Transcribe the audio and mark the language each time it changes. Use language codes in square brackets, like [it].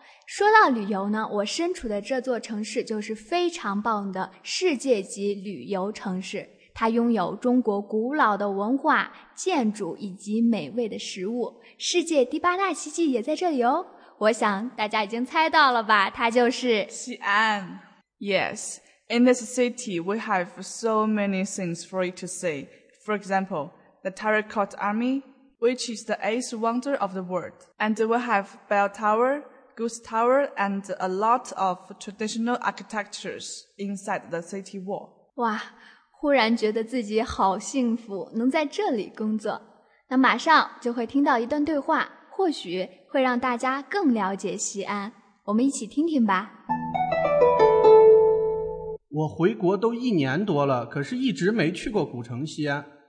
[zh] 说到旅游呢，我身处的这座城市就是非常棒的世界级旅游城市，它拥有中国古老的文化、建筑以及美味的食物，世界第八大奇迹也在这里哦。我想大家已经猜到了吧，它就是西安。 [en] Yes, in this city we have so many things for you to see. For example, the Terracotta Army, which is the eighth wonder of the world. And we have Bell Tower,Goose Tower and a lot of traditional architectures inside the city wall. [zh] 哇，忽然觉得自己好幸福，能在这里工作。那马上就会听到一段对话，或许会让大家更了解西安。我们一起听听吧。我回国都一年多了，可是一直没去过古城西安。